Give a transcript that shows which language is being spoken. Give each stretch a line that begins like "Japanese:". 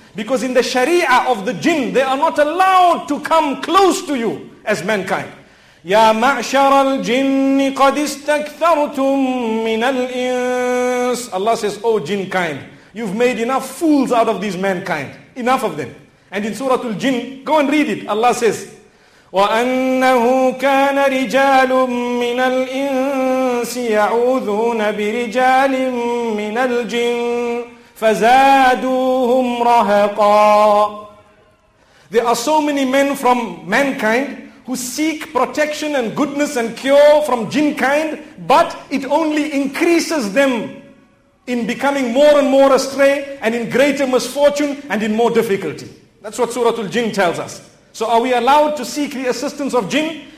English: Because in the Sharia of the jinn, they are not allowed to come close to you as mankind.
Arabic: Ya ma'shara al-jinni qad istakthartum min al-ins.
English: Allah says, oh jinn kind, you've made enough fools out of these mankind. Enough of them. And in Surah al-Jinn, go and read it. Allah says,
Arabic: وَأَنَّهُ كَانَ رِجَالٌ مِّنَ الْإِنسِ يَعُوذُونَ بِرِجَالٍ مِّنَ الْجِنِّ فَزَادُوهُمْ رَهَقًا.
English: There are so many men from mankind who seek protection and goodness and cure from jinn kind, but it only increases them in becoming more and more astray and in greater misfortune and in more difficulty. That's what Surah Al-Jinn tells us. So are we allowed to seek the assistance of jinn?